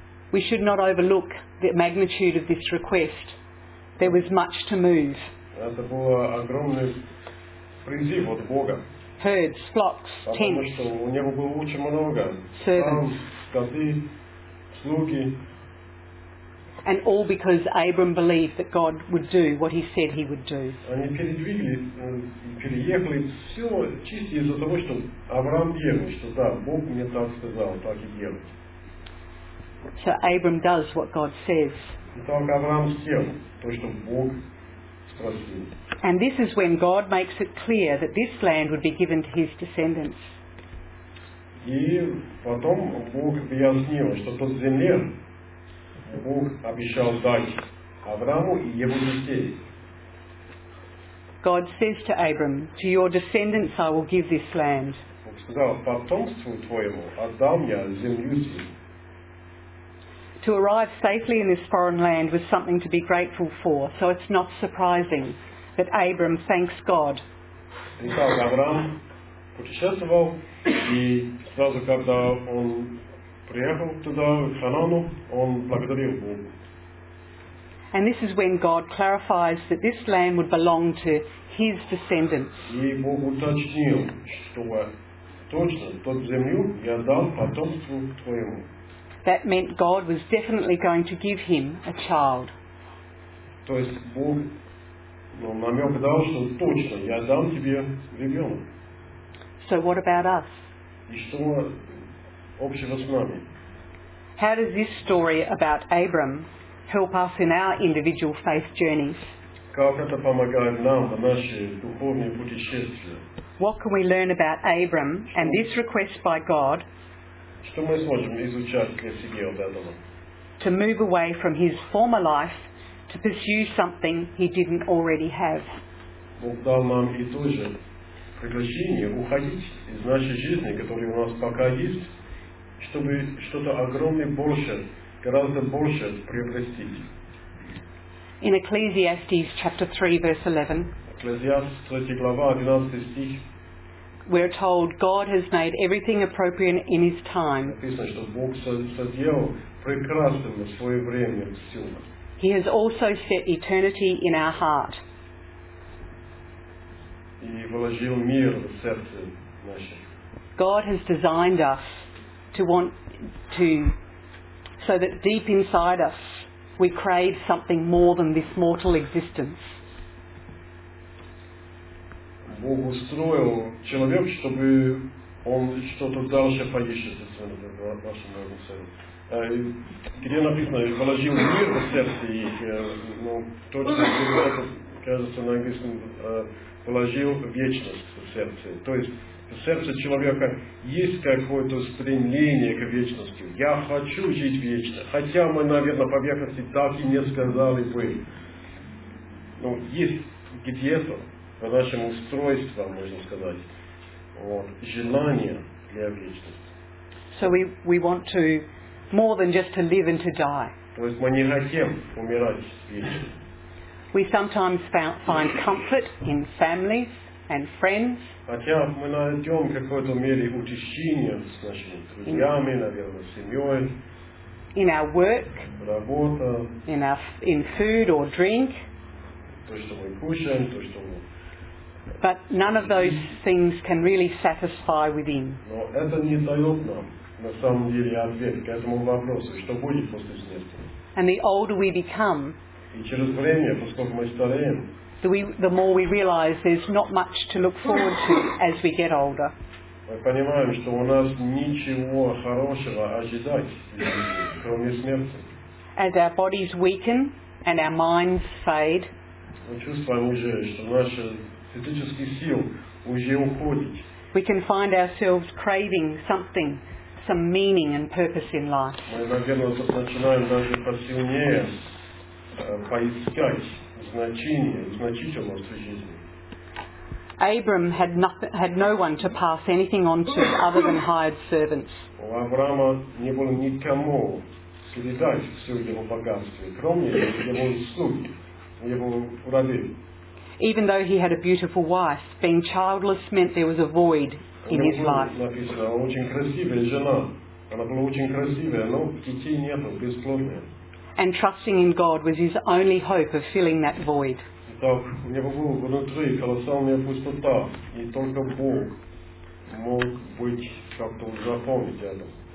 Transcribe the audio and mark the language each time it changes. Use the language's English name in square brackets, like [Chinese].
[English] We should not overlook the magnitude of this request. There was much to move. [Russian] Это был огромный призыв от Бога. [English] Herds, flocks, tents. [Russian] Потому что у него было очень много. [English] Servants. [Russian] Скоты. Слуги. [English] And all because Abram believed that God would do what he said he would do. [Russian] Они переехали все чисто из-за того, что Авраам верил, что да, Бог мне так сказал, так и делать. [English] So Abram does what God says. [Russian] Итак, Авраам сделал то, что Бог спросил. [English] And this is when God makes it clear that this land would be given to his descendants. [Russian] И потом Бог объяснил, что тот земле Бог обещал дать Аврааму и его детей. [English] God says to Abram, to your descendants I will give this land. [Russian] Бог сказал, потомству твоему отдам я землю сию. [English] To arrive safely in this foreign land was something to be grateful for, so it's not surprising that Abram thanks God. [Russian] Итак, Авраам путешествовал, и сразу, когда он приехал туда, в Ханану, он благодарил Бога. [English] And this is when God clarifies that this land would belong to his descendants. [Russian] И Бог уточнил, что точно тот землю я дал потомству твоему. [English] That meant God was definitely going to give him a child. [Russian] То есть Бог, ну, намек дал, что точно я дам тебе ребенка. [English] So what about us? [Russian] И что общего с нами? [English] How does this story about Abram help us in our individual faith journeys? [Russian] Как это помогает нам в наши духовные путешествия? [English] What can we learn about Abram and this request by God? [Russian] Что мы сможем изучать для себя от этого? [English] To move away from his former life to pursue something he didn't already have. [Russian] Бог дал нам и то же приглашение уходить из нашей жизни, которая у нас пока есть, чтобы что-то огромное больше, гораздо больше приобрести. [English] In Ecclesiastes chapter 3 verse 11. [Russian] Экклезиаст 3 глава 11 стих. [English] We're told God has made everything appropriate in his time. [Russian] Написано, что Бог создал прекрасным в своё время всё. [English] He has also set eternity in our heart. [Russian] И вложил мир в сердце наше. [English] God has designed us to want to so that deep inside us we crave something more than this mortal existence. [Russian] Бог устроил человек, чтобы он что-то дальше поищется в нашем сердце. Где написано, вложил мир в сердце их, но точно, кажется, на английском вложил вечность в сердце. То есть в сердце человека есть какое-то стремление к вечности. Я хочу жить вечно. Хотя мы, наверное, по верхности так и не сказали бы. Но есть где-то по нашему устройству, можно сказать, вот, желание для вечности. [English] So we want to more than just to live and to die. [Russian] То есть мы не хотим умирать вечно. [English] We sometimes find comfort in families and friends. [Russian] Хотя мы найдем какое-то мере утешение с нашими друзьями, наверное, семьей. [English] In our work. [Russian] Работа. [English] In food or drink. [Russian] То, что мы кушаем, то, что мы. [English] But none of those things can really satisfy within. [Russian] Но это не дает нам, на самом деле, ответ к этому вопросу, что будет после смерти. [English] And the older we become, [Russian] и через время, поскольку мы стареем, [English] the more we realize there's not much to look forward to as we get older. [Russian] Мы понимаем, что у нас ничего хорошего ожидать, кроме смерти. [English] As our bodies weaken and our minds fade, [Russian] мы чувствуем уже, что наши физические силы уже уходят. [English] We can find ourselves craving something, some meaning and purpose in life. [Russian] Мы, наверное, начинаем даже посильнее поискать значение, значительность в жизни. [English] Abram had no one to pass anything on to other than hired servants. [Russian] У Авраама не было никому передать все его богатство, кроме его слуг, его рабов. [English] Even though he had a beautiful wife, being childless meant there was a void in his life. [Russian] Написано, очень красивая жена. Она была очень красивая, но детей нету, бесплодная. [English] And trusting in God was his only hope of filling that void. [Russian] Так, у него была внутри колоссальная пустота, и только Бог мог быть как-то заполнить это.